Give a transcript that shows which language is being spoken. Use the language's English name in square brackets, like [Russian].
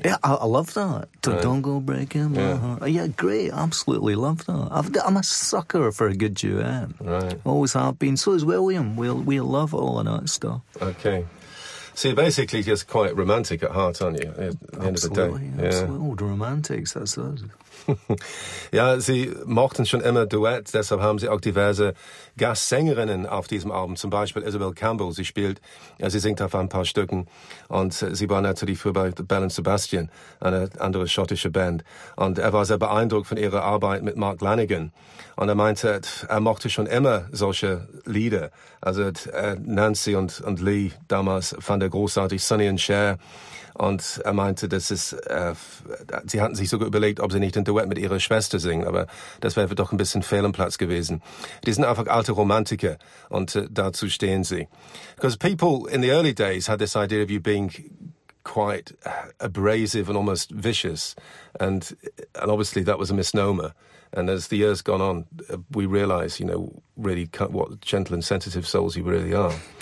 [English] Yeah, I love that. Right. Don't Go Breaking My Heart. Yeah, great. Absolutely love that. I'm a sucker for a good duet. Right. Always have been. So is William. We love all of that stuff. Okay. So you're basically just quite romantic at heart, aren't you, at the end of the day? Absolutely. Old romantics, that's us. [German] Ja, sie mochten schon immer Duets, deshalb haben sie auch diverse Gastsängerinnen auf diesem Album, zum Beispiel Isabel Campbell. Sie spielt, ja, sie singt auf ein paar Stücken und sie war natürlich früher bei Bell & Sebastian, eine andere schottische Band. Und er war sehr beeindruckt von ihrer Arbeit mit Mark Lanegan. Und er meinte, er mochte schon immer solche Lieder. Also Nancy und Lee damals fand er großartig, Sonny and Cher. Und er meinte, dass es, sie hatten sich sogar überlegt, ob sie nicht ein Duett mit ihrer Schwester singen, aber das wäre doch ein bisschen fehl am Platz gewesen. Die sind einfach alte Romantiker und dazu stehen sie. [English] Because people in the early days had this idea of you being quite abrasive and almost vicious. And obviously that was a misnomer. And as the years gone on, we realize, you know, really what gentle and sensitive souls you really are.